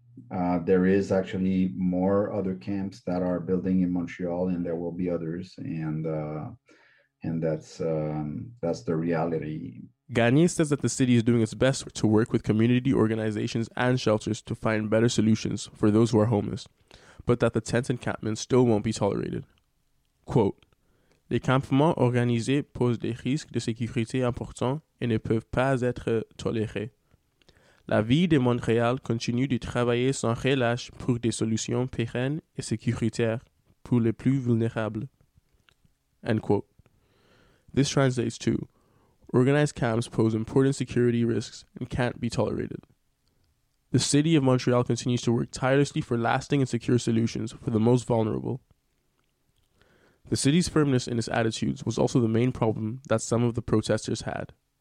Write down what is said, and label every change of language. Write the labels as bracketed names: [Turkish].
[English] There is actually more other camps that are building in Montreal, and there will be others. And that's the reality. Gagné says that the city is doing its best to work with community organizations and shelters to find better solutions for those who are homeless, but that the tent encampments still won't be tolerated. [French] Quote, les campements organisés posent des risques de sécurité importants et ne peuvent pas être tolérés. La ville de Montréal continue de travailler sans relâche pour des solutions pérennes et sécuritaires pour les plus vulnérables. [English] End quote. This translates to, organized camps pose important security risks and can't be tolerated. The city of Montreal continues to work tirelessly for lasting and secure solutions for the most vulnerable. The city's firmness in its attitudes was also the main problem that some of the protesters had.